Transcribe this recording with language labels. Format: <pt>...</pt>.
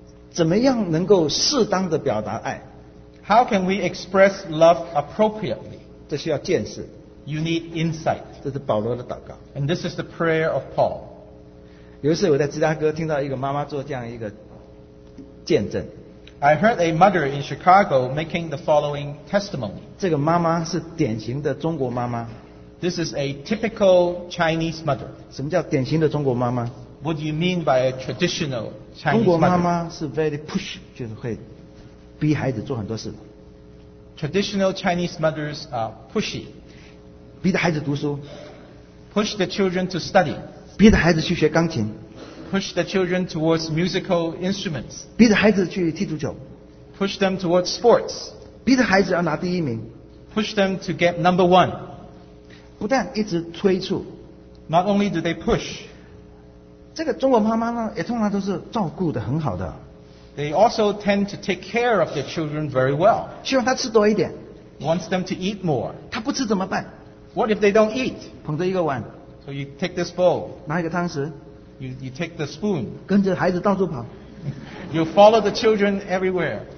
<zh>怎么样能够适当地表达爱？</zh> <en>How can we express love appropriately?</en> <zh>这需要见识。</zh> <en>You need insight.</en> <zh>这是保罗的祷告。</zh> <en>And this is the prayer of Paul.</en> <zh>有一次我在芝加哥听到一个妈妈做这样一个见证。</zh> <en>I heard a mother in Chicago making the following testimony.</en> <zh>这个妈妈是典型的中国妈妈。</zh> <en>This is a typical Chinese mother.</en> <zh>什么叫典型的中国妈妈？</zh> <en>What do you mean by a traditional Chinese mother?</en> <zh>中国妈妈是</zh> <en>very push，</en> <zh>就是会逼孩子做很多事的。</zh> <en>Traditional Chinese mothers are pushy.</en> <zh>逼着孩子读书，</zh> <en>push the children to study，</en> <zh>逼着孩子去学钢琴，</zh> <en>push the children towards musical instruments，</en> <zh>逼着孩子去踢足球，</zh> <en>push them towards sports，</en> <zh>逼着孩子要拿第一名，</zh> <en>push them to get number one，</en> <zh>不但一直催促，</zh> <en>not only do they push，</en> <zh>这个中国妈妈呢，也通常都是照顾得很好的，</zh> <en>they also tend to take care of their children very well，</en> <zh>希望他吃多一点，</zh> <en>wants them to eat more，</en> <zh>他不吃怎么办？</zh> <en>What if they don't eat?</en> <zh>捧着一个碗,</zh> <en>so you take this bowl.</en> <zh>拿一个汤匙,</zh> <en>you take the spoon.</en> <zh>跟着孩子到处跑,</zh> <en>you follow the children everywhere.</en>